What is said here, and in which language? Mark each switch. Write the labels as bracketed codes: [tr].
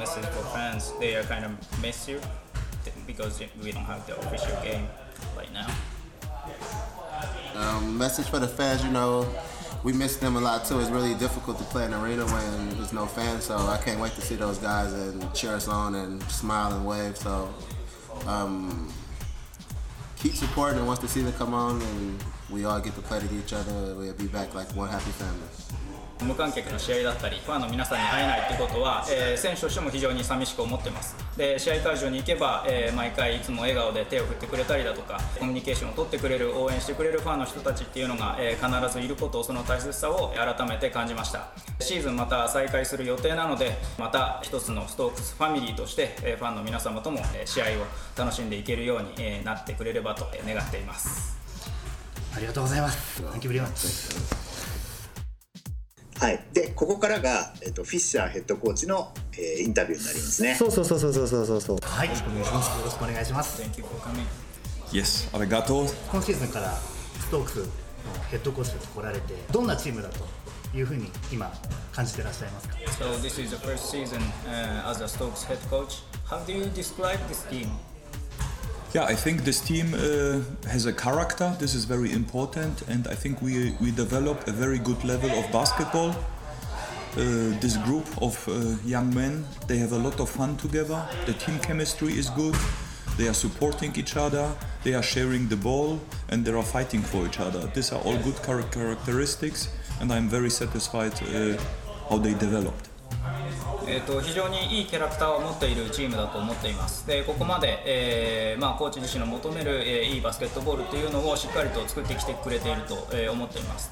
[en] message for fans, they are kind of miss you because we don't have the official game right now. Message for the fans, you know, we miss them a lot too. It's really difficult to play in the arena when there's no fans, so I can't wait to see those guys and cheer us on and smile and wave. So keep supporting and once the season come on and we all get to play with each other, we'll be back like one happy family. [ja] 無観客の試合だったりファンの皆さんに会えないってことは、選手としても非常に寂しく思ってます。で試合会場に行けば、毎回いつも笑顔で手を振ってくれたりだとかコミュニケーションを取ってくれる応援してくれるファンの人たちっていうのが、必ずいることをその大切さを改めて感じました。シーズンまた再開する予定なのでまた一つのストークスファミリーとして、ファンの皆様とも、試合を楽しんでいけるように、なってくれればと願っています。ありがとうございます。 [en] Thank you very much。 [ja] はい、でここからが、フィッシャーヘッドコーチの、インタビューになりますね。そうそうそうそうそうそうそうそう。はい、よろしくお願いします。よろしくお願いします。 [en] Thank you for coming。 [ja] Yes、ありがとう。今シーズンからストークスのヘッドコーチが来られてどんなチームだというふうに今感じてらっしゃいますか。 [en] So this is the first season、as a Stokes head coach. How do you describe this team? Yeah, I think this team has a character. This is very important, and I think we develop a very good level of basketball. This group of young men, they have a lot of fun together. The team chemistry is good. They are supporting each other. They are sharing the ball, and they are fighting for each other. These are all good characteristics, and I'm very satisfied how they developed. [ja] 非常にいいキャラクターを持っているチームだと思っています。でここまで、コーチ自身の求める、いいバスケットボールというのをしっかりと作ってきてくれていると、思っています。